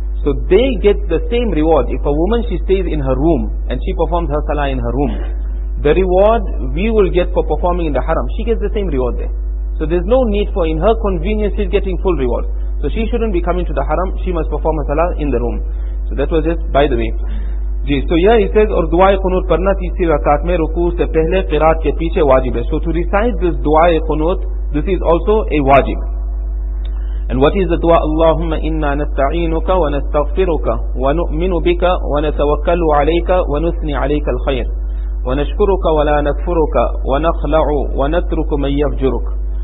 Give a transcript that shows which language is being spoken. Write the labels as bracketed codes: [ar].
[en] So they get the same reward. If a woman, she stays in her room and she performs her salah in her room, the reward we will get for performing in the haram, she gets the same reward there. So there's no need for, in her convenience, she's getting full reward. So she shouldn't be coming to the haram, she must perform her salah in the room. So that was just by the way. So here he says, [ur] اور دعائے قنوت پڑھنا تیسری رکعت میں رکوع سے پہلے قرات کے پیچھے واجب ہے. [en] So to recite this دعائے qunoot, this is also a wajib. And what is the dua? [ar] اللهم انا نستعينك ونستغفرك ونؤمن بك ونتوكل عليك ونثني عليك الخير ونشكرك ولا نكفرك ونخلع ونترك من يفجرك.